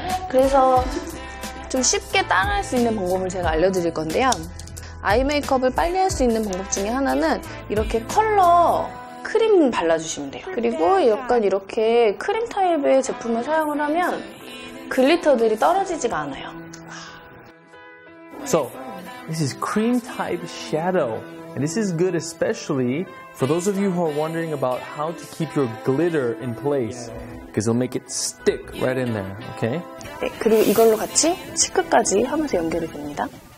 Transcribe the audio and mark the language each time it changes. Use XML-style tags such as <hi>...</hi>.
<ko>그래서 좀 쉽게 따라할 수 있는 방법을 제가 알려드릴 건데요. 아이 메이크업을 빨리 할 수 있는 방법 중에 하나는 이렇게 컬러 크림 발라주시면 돼요. 그리고 약간 이렇게 크림 타입의 제품을 사용을 하면 글리터들이 떨어지지가 않아요.</ko> <en>So. This is cream type shadow. And this is good especially for those of you who are wondering about how to keep your glitter in place. Because it'll make it stick right in there, okay?</en> <ko>네, 그리고 이걸로 같이 치크까지 하면서 연결이 됩니다.</ko>